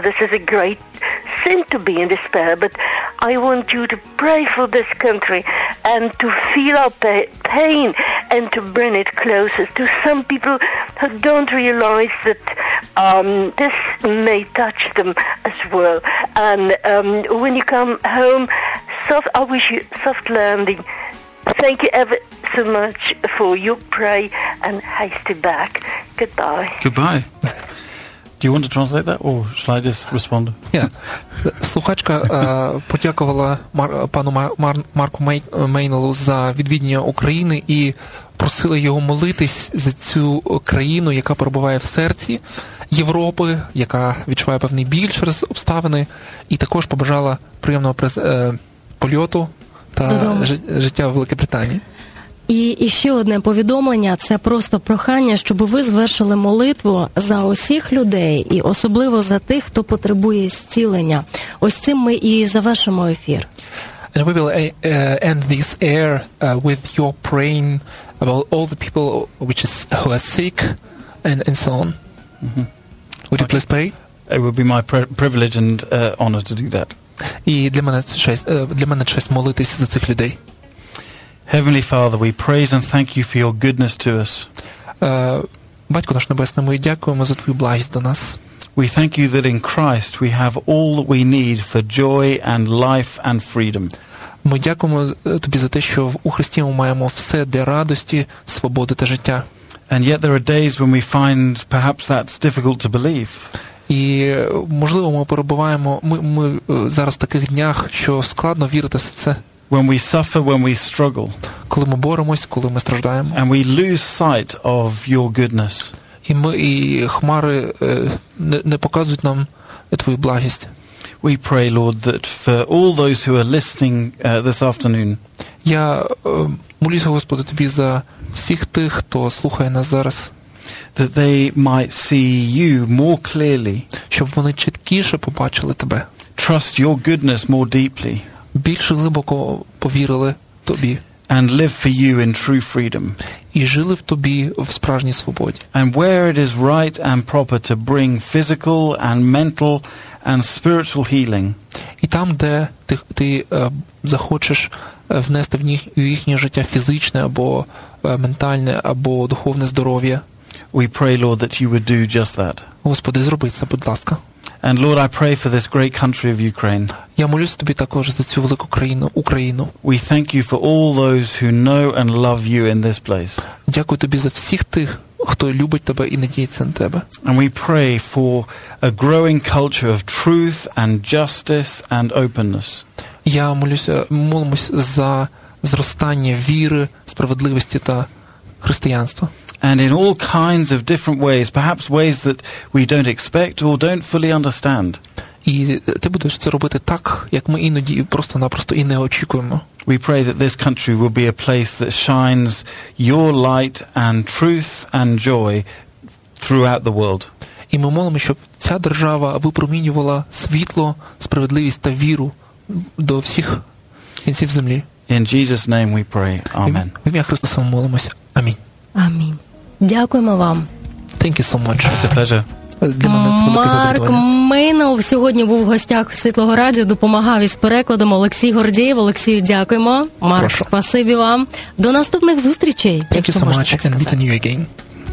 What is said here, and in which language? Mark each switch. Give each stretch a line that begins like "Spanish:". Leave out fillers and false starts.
English: This is a great sin to be in despair, but I want you to pray for this country and to feel our pain and to bring it closer to some people who don't realize that this may touch them as well. And when you come home, I wish you soft landing. Thank you ever so much for your prayer and hasty back. Goodbye. Goodbye. Do you want to translate that or shall I just respond? Yeah.
Ukrainian: Слухачка подякувала пану Марку Мейнелу за відвідування України і просила його молитись за цю країну, яка перебуває в серці Європи, яка відчуває певний біль через обставини, і також побажала приємного польоту та життя в Великобританії. І ще одне повідомлення, це просто прохання, щоб ви звершили молитву за усіх людей, і особливо за тих, хто потребує зцілення. Ось цим ми і завершимо ефір.
English: And we will end this air with your praying about all the people which is, who are sick and so on. Mm-hmm. Would you please pray? It would be my privilege and honor to do that.
Ukrainian: І для мене честь молитися за цих людей.
English: Heavenly Father, we praise and thank you for your goodness to us.
Ukrainian: Батько наш небесний, ми дякуємо за твою благість до нас.
English: We thank you that in Christ we have all that we need for joy and life and freedom.
Ukrainian: Ми дякуємо тобі за те, що у Христі ми маємо все для радості, свободи та життя.
English: And yet there are days when we find perhaps that's difficult to believe.
Ukrainian: І можливо, ми перебуваємо ми зараз в таких днях, що складно вірити в це.
English: When we suffer, when we struggle.
Ukrainian: Коли ми боремось, коли ми страждаємо.
English: And we lose sight of your goodness.
Ukrainian: І хмари не показують нам твою благість.
English: We pray, Lord, that for all those who are listening this afternoon.
Ukrainian: Я молюся, Господи, тобі за всіх тих, хто слухає нас зараз.
English: That they might see you more clearly.
Ukrainian: Щоб вони чіткіше побачили тебе.
English: Trust your goodness more deeply.
Ukrainian: Більш глибоко повірили тобі.
English: And live for you in true freedom.
Ukrainian: І жили в тобі в справжній свободі.
English: And where it is right and proper to bring physical and mental and spiritual healing.
Ukrainian: І там, де ти захочеш внести в їхнє життя фізичне або ментальне або духовне здоров'я.
English: We pray, Lord, that you would do just that.
Ukrainian: Господи, зроби це, будь ласка.
English: And Lord, I pray for this great country of Ukraine.
Ukrainian: Я молюсь тобі також за цю велику країну, Україну.
English: We thank you for all those who know and love you in this place.
Ukrainian: Дякую тобі за всіх тих, хто любить тебе і надіється на тебе.
English: And we pray for a growing culture of truth and justice and openness.
Ukrainian: Я молюсь за зростання віри, справедливості та християнства.
English: And in all kinds of different ways, perhaps ways that we don't expect or don't fully understand.
Ukrainian: І ти будеш це робити так, як ми іноді просто-напросто і не очікуємо.
English: We pray that this country will be a place that shines your light and truth and joy throughout the world.
Ukrainian: І ми молимо, щоб ця держава випромінювала світло, справедливість та віру до всіх кінців землі.
English: In Jesus' name we pray. Amen.
Ukrainian: В ім'я Христа молимося. Амінь. Амінь. Дякуємо вам.
English: Thank you so much. It's a pleasure.
Ukrainian: Марк Минов сьогодні був в гостях Світлого Радіо, допомагав із перекладом Олексій Гордієв. Олексію, дякуємо. Марк, спасибі вам. До наступних зустрічей.
English: Thank you so much. And meet you again.